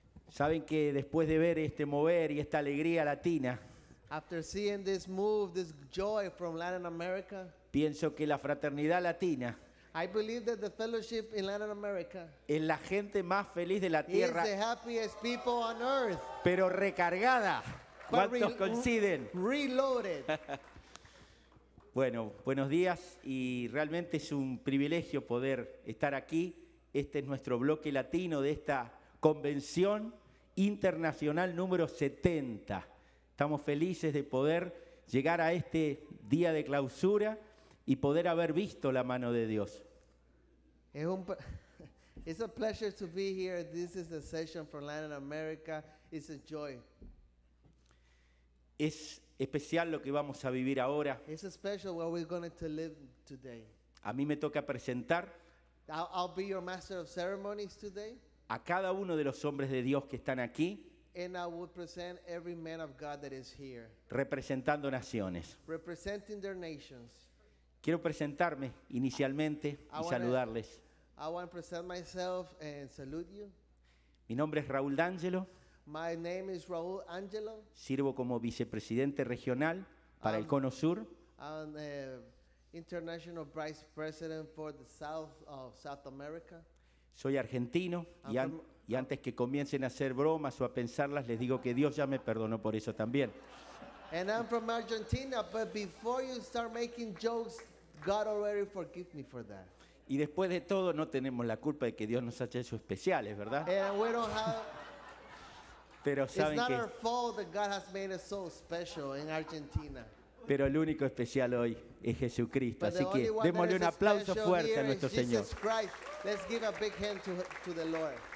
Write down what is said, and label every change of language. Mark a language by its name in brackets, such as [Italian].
[Spanish] Saben que después de ver este mover y esta alegría latina, [English] after seeing this move, this joy from Latin America, [Spanish] pienso que la fraternidad latina, [English] I believe that the fellowship in Latin America, [Spanish] es la gente más feliz de la tierra, [English] is the happiest people on earth. [Spanish] Pero recargada. ¿Cuántos coinciden? [English] Reloaded. [Spanish] Bueno, buenos días y realmente es un privilegio poder estar aquí. Este es nuestro bloque latino de esta convención internacional número 70. Estamos felices de poder llegar a este día de clausura y poder haber visto la mano de Dios. [English] It's a pleasure to be here. This is the session from Latin America. It's a joy. [Spanish] Es especial lo que vamos a vivir ahora. [English] It's special what we're going to live today. [Spanish] A mí me toca presentar. [English] I'll be your master of ceremonies today. [Spanish] A cada uno de los hombres de Dios que están aquí. [English] And I will present every man of God that is here. [Spanish] Representando naciones. [English] Representing their nations. [Spanish] Quiero presentarme inicialmente y saludarles. [English] I want to present myself and salute you. [Spanish] Mi nombre es Raúl D'Angelo. [English] My name is Raúl Angelo. [Spanish] Sirvo como vicepresidente regional para el Cono Sur. [English] I'm the international vice president for the South of South America. [Spanish] Soy argentino y antes que comiencen a hacer bromas o a pensarlas, les digo que Dios ya me perdonó por eso también. [English] And I'm from Argentina, but before you start making jokes, God already forgave me for that. [Spanish] Y después de todo, no tenemos la culpa de que Dios nos haya hecho especiales, ¿verdad? [English] And we don't have. [Spanish] Pero saben [English] it's not our fault that God has made us so special in Argentina. [Spanish] Pero el único especial hoy es Jesucristo. Así que démosle un aplauso fuerte a nuestro Señor. [English] Let's give a big hand to the Lord.